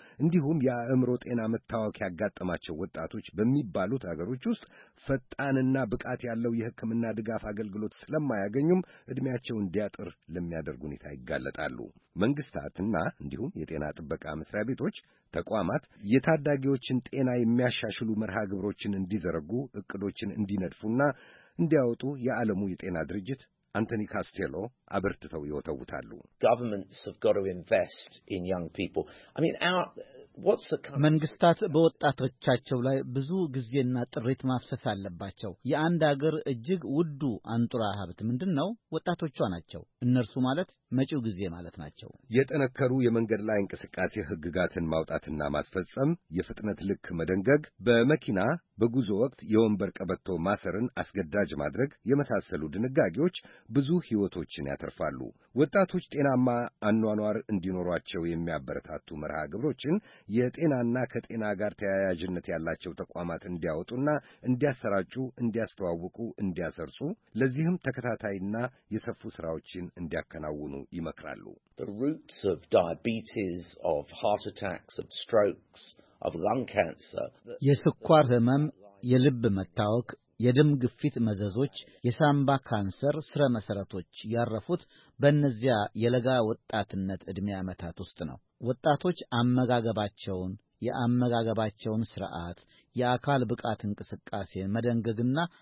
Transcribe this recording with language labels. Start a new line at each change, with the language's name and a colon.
Amharic: እንዲሁም የአእምሮ ጤና መታወክ ያጋጠማቸው ወጣቶች በሚባሉት አገሮች ውስጥ ፈጣንና ብቃት ያለው የሕክምና ድጋፍ አገልግሎት ስለማያገኙም እድሜያቸው እንዲያጥር ለሚያደርጉ ሁኔታ ይጋለጣሉ። መንግስታትና እንዲሁም የጤና ጥበቃ መስሪያ ቤቶች ተቋማት የታዳጊዎችን ጤና የሚያሻሽሉ መርሃ ግብሮችን እንዲዘረጉ፣ እቅዶችን እንዲነድፉና እንዲያወጡ የዓለሙ የጤና ድርጅት አንቶኒ ካስቴሎ አብርትተው ይወተውታሉ።
English: Governments have got to invest in young people. I mean, our
Amharic: መንግስታት በወጣቶቻቸው ላይ ብዙ ጊዜና ጥሪት ማፍሰስ አለባቸው። የአንድ አገር እጅግ ውዱ አንጡራ ሀብት ምንድነው? ወጣቶቹ ናቸው። እነርሱ ማለት መጪው ጊዜ ማለት ናቸው። የተነከሩ የመንገድ ላይ እንቅስቃሴ ህግጋትን ማውጣትና ማስፈጸም፣ የፍጥነት ልክ መደንገግ፣ በመኪና በጉዞ ወቅት የወንበር ቀበቶ ማሰርን አስገዳጅ ማድረግ የመሳሰሉ ድንጋጌዎች ብዙ ህይወቶችን ያተርፋሉ። ወጣቶች ጤናማ አኗኗር እንዲኖሯቸው የሚያበረታቱ መርሃ ግብሮችን የጤናና ከጤና ጋር ተያያዥነት ያላቸው ተቋማት እንዲያወጡና እንዲያሰራጩ፣ እንዲያስተዋውቁ፣ እንዲያሰርጹ፣ ለዚህም ተከታታይና የሰፉ ስራዎችን እንዲያከናውኑ ይመክራሉ።
English: The roots of diabetes, of heart attacks, of strokes, of lung cancer.
Amharic: የስኳር ህመም፣ የልብ መታወክ፣ የደም ግፊት መዘዞች፣ የሳምባ ካንሰር ስረ መሰረቶች ያረፉት በእነዚያ የለጋ ወጣትነት እድሜ አመታት ውስጥ ነው። ወጣቶች አመጋገባቸውን፣ የአመጋገባቸውን ስርዓት፣ የአካል ብቃት እንቅስቃሴ መደንገግና